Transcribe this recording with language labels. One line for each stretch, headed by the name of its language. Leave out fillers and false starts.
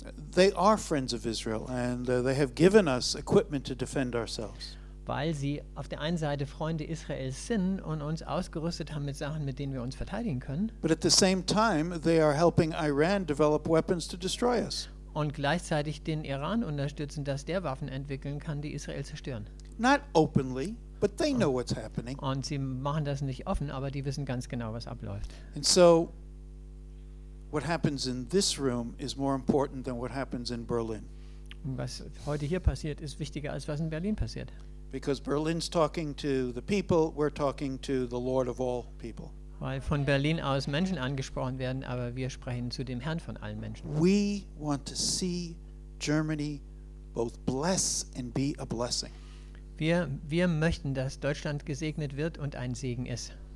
English: They are friends of Israel and they have given us equipment to defend ourselves.
German: Weil sie auf der einen Seite Freunde Israels sind und uns ausgerüstet haben mit Sachen, mit denen wir uns verteidigen können.
English: But at the same time they are helping Iran develop weapons to destroy us.
German: Und gleichzeitig den Iran unterstützen, dass der Waffen entwickeln kann, die Israel zerstören.
English: Not openly, but they know what's happening.
German: Und sie machen das nicht offen, aber die wissen ganz genau, was abläuft.
English: And so what happens in this room is more important than what happens in Berlin.
German: Was heute hier passiert, ist wichtiger als was in Berlin passiert.
English: Because Berlin's talking to the people, we're talking to the Lord of all people.
German: Weil von Berlin aus Menschen angesprochen werden, aber wir sprechen zu dem Herrn von allen Menschen.
English: We want to see Germany both bless and be a blessing.
German: Wir möchten, dass Deutschland gesegnet wird und ein Segen ist.